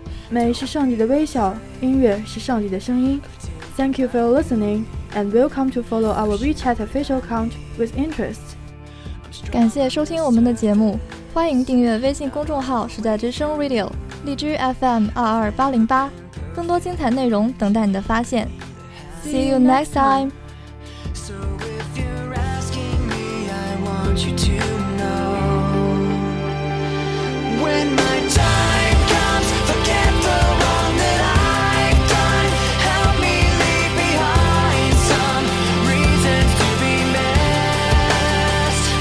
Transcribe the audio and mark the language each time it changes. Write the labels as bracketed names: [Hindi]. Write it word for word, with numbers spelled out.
[Chinese] 美是上帝的微笑，音乐是上帝的声音。 [English] Thank you for listening, and welcome to follow our WeChat official account with interest. [Chinese] 感谢收听我们的节目，欢迎订阅微信公众号时代之声 Radio, 荔枝 F M 二二八零八，更多精彩内容等待你的发现。 [English] See you next time. So if you're asking me, I want you to know when my time. Forget the wrong that I've done. Help me leave behind some reasons to be missed.